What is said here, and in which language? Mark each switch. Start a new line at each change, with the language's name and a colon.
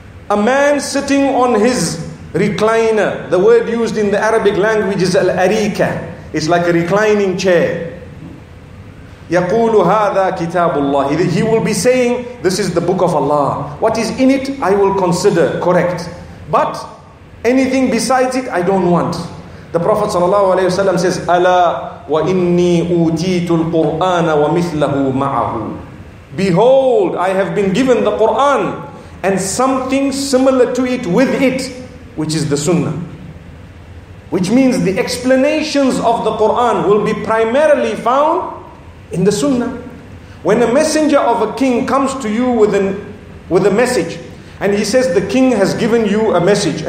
English: A man sitting on his recliner, the word used in the Arabic language is al-arika. It's like a reclining chair.
Arabic: يَقُولُ هَذَا كِتَابُ اللَّهِ.
English: He will be saying, this is the book of Allah. What is in it, I will consider correct. But anything besides it, I don't want. The Prophet ﷺ says,
Arabic: أَلَا وَإِنِّي أُوتِيتُ الْقُرْآنَ وَمِثْلَهُ مَعَهُ.
English: Behold, I have been given the Quran and something similar to it with it, which is the Sunnah. Which means the explanations of the Quran will be primarily found in the Sunnah. When a messenger of a king comes to you with a message, and he says, the king has given you a message.